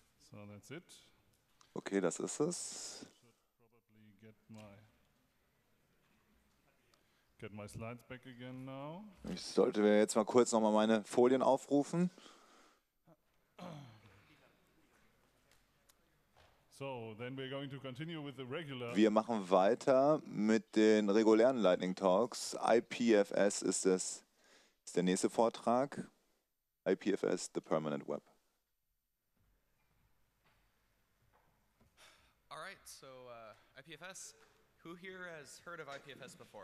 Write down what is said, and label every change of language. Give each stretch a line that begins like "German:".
English: So, that's it.
German: Okay, das ist es.
English: Get my slides back again now.
German: Ich sollte jetzt mal kurz nochmal meine Folien aufrufen.
English: So, then we're going to continue with the regular.
German: Wir machen weiter mit den regulären Lightning Talks. IPFS ist das, ist der nächste Vortrag.
English: IPFS, the Permanent Web. All right, so IPFS, who here has heard of IPFS before?